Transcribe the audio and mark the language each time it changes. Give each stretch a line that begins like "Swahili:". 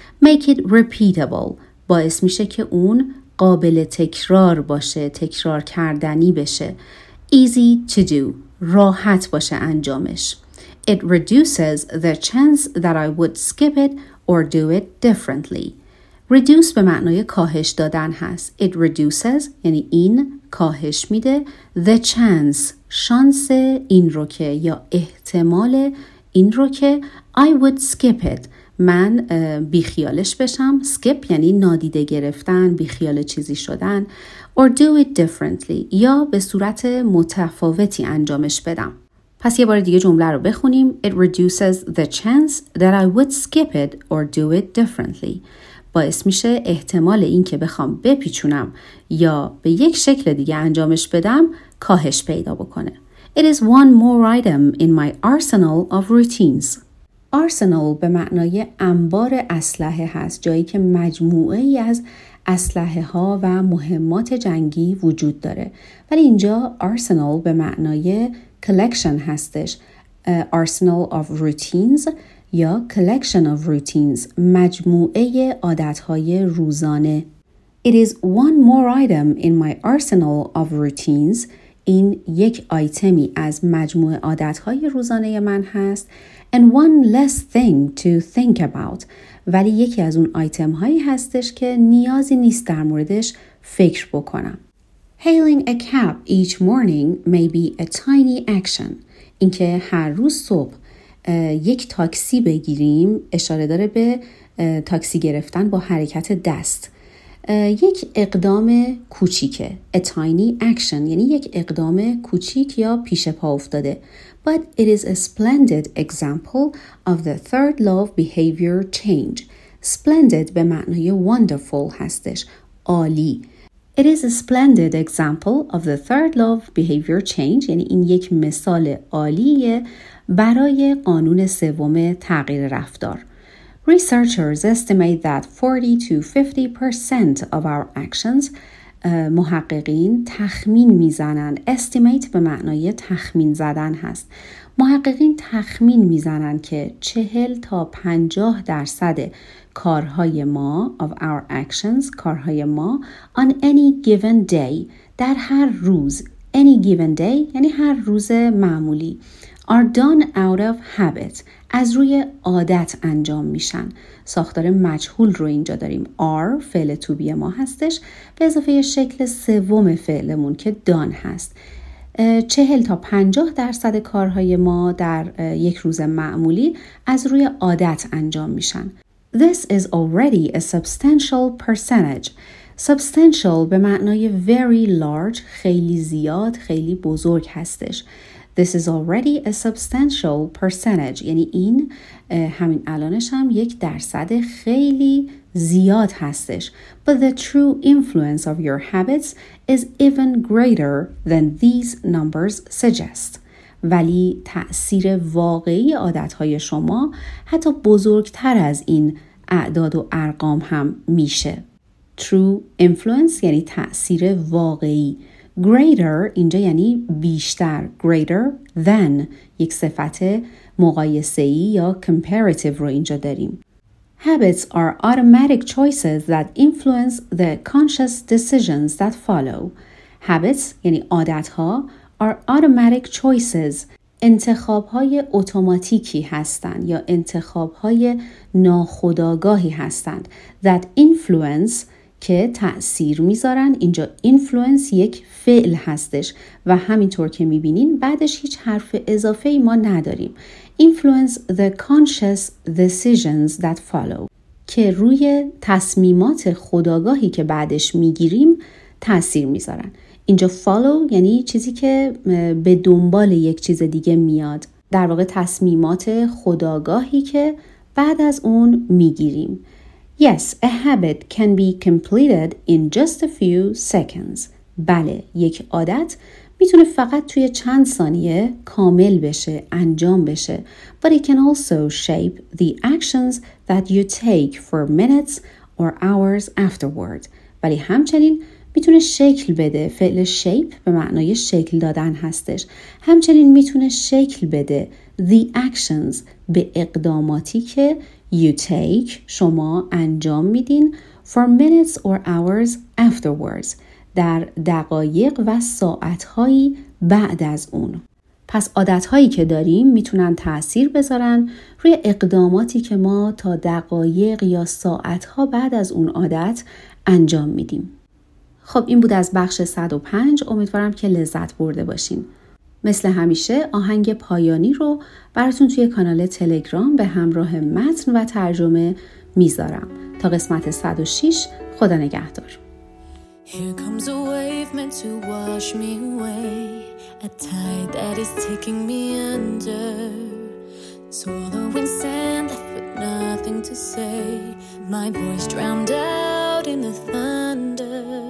English: Make it repeatable.
Persian: باعث میشه که اون قابل تکرار باشه، تکرار کردنی بشه.
English: Easy to do.
Persian: راحت باشه انجامش.
English: It reduces the chance that I would skip it or do it differently.
Persian: Reduce به معنای کاهش دادن هست.
English: It reduces
Persian: یعنی این کاهش میده.
English: The chance
Persian: شانس این رو که یا احتمال این رو که
English: I would skip it.
Persian: من بیخیالش بشم. skip یعنی نادیده گرفتن، بیخیال چیزی شدن.
English: or do it differently
Persian: یا به صورت متفاوتی انجامش بدم. پس یه بار دیگه جمله رو بخونیم.
English: It reduces the chance that I would skip it or do it differently.
Persian: باعث میشه احتمال این که بخوام بپیچونم یا به یک شکل دیگه انجامش بدم کاهش پیدا بکنه.
English: It is one more item in my arsenal of routines.
Persian: آرسنال به معنای انبار اسلحه هست، جایی که مجموعه ای از اسلحه ها و مهمات جنگی وجود داره. ولی اینجا آرسنال به معنای collection هستش.
English: Arsenal of routines یا collection of routines،
Persian: مجموعه عادتهای روزانه.
English: It is one more item in my arsenal of routines.
Persian: این یک آیتمی از مجموعه عادتهای روزانه من هست.
English: And one less thing to think about.
Persian: ولی یکی از اون آیتم هایی هستش که نیازی نیست در موردش فکر بکنم.
English: Hailing a cab each morning may be a tiny action.
Persian: اینکه هر روز صبح یک تاکسی بگیریم اشاره داره به تاکسی گرفتن با حرکت دست. یک اقدام کوچیکه.
English: A tiny action
Persian: یعنی یک اقدام کوچیک یا پیش پا افتاده.
English: But it is a splendid example of the third law of behavior change.
Persian: Splendid به معنی wonderful هستش. عالی.
English: It is a splendid example of the third law of behavior change.
Persian: یعنی این یک مثال عالیه برای قانون سوم تغییر رفتار.
English: Researchers estimate that 40-50% of our actions.
Persian: محققین تخمین میزنن. Estimate به معنای تخمین زدن هست. محققین تخمین میزنن که 40-50% کارهای ما
English: of our actions
Persian: کارهای ما
English: on any given day
Persian: در هر روز
English: any given day
Persian: یعنی هر روز معمولی
English: are done out of habit
Persian: از روی عادت انجام میشن. ساختار مجهول رو اینجا داریم. are فعل to be ما هستش به اضافه شکل سوم فعلمون که done هست. 40-50% کارهای ما در یک روز معمولی از روی عادت انجام میشن.
English: This is already a substantial percentage.
Persian: Substantial به معنای very large، خیلی زیاد، خیلی بزرگ هستش.
English: This is already a substantial percentage.
Persian: یعنی این همین الانش هم یک درصد خیلی زیاد هستش.
English: But the true influence of your habits is even greater than these numbers suggest.
Persian: ولی تأثیر واقعی عادت‌های شما حتی بزرگتر از این اعداد و ارقام هم میشه. True influence یعنی تأثیر واقعی. Greater اینجا یعنی بیشتر. Greater than یک صفت مقایسه‌ای یا comparative رو اینجا داریم.
English: Habits are automatic choices that influence the conscious decisions that follow. Habits
Persian: یعنی عادت‌ها
English: are automatic choices.
Persian: انتخاب‌های اتوماتیکی هستند یا انتخاب‌های ناخودآگاهی هستند
English: that influence
Persian: که تأثیر می‌ذارن. اینجا influence یک فعل هستش و همینطور که می‌بینین بعدش هیچ حرف اضافه‌ای ما نداریم.
English: Influence the conscious decisions that follow
Persian: که روی تصمیمات خودآگاهی که بعدش می‌گیریم تأثیر می‌ذارن. اینجا follow یعنی چیزی که به دنبال یک چیز دیگه میاد، در واقع تصمیمات خودآگاهی که بعد از اون میگیریم.
English: Yes, a habit can be completed in just a few seconds.
Persian: بله، یک عادت میتونه فقط توی چند ثانیه کامل بشه، انجام بشه.
English: But it can also shape the actions that you take for minutes or hours afterward.
Persian: ولی همچنین میتونه شکل بده. فعل shape به معنای شکل دادن هستش. همچنین میتونه شکل بده
English: the actions
Persian: به اقداماتی که
English: you take
Persian: شما انجام میدین
English: for minutes or hours afterwards
Persian: در دقایق و ساعتهایی بعد از اون. پس عادتهایی که داریم میتونن تأثیر بذارن روی اقداماتی که ما تا دقایق یا ساعتها بعد از اون عادت انجام میدیم. خب این بود از بخش 105. امیدوارم که لذت برده باشین. مثل همیشه آهنگ پایانی رو براتون توی کانال تلگرام به همراه متن و ترجمه میذارم. تا قسمت 106 خدا نگهدار.
English: Here comes a wave meant to wash me away. A tide that is taking me under. Swallowing sand left with nothing to say. My voice drowned out in the thunder.